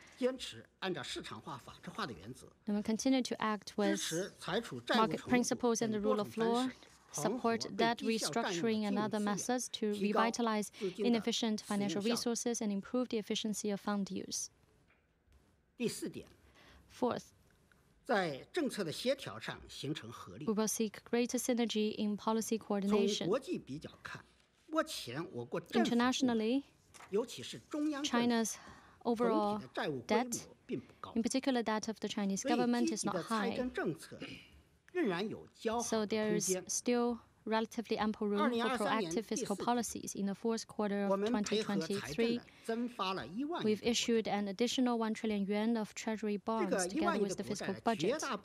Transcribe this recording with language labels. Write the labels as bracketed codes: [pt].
[en] We will continue to act with market principles and the rule of law, support debt restructuring and other methods to revitalize inefficient financial resources and improve the efficiency of fund use. Fourth, [zh] 在政策的协调上形成合力。 [en] We will seek greater synergy in policy coordination. [zh] 从国际比较看，目前我国政府 [en] internationally, [zh] 尤其是中央 [en] China's overall debt, [zh] 并不高。 [en] In particular, debt of the Chinese government is not high. [zh] 所以积极的财政政策仍然有较好的空间。 [en] So there is still relatively ample room for proactive fiscal policies. In the fourth quarter of 2023, we've issued an additional 1 trillion yuan of treasury bonds together with the fiscal budget.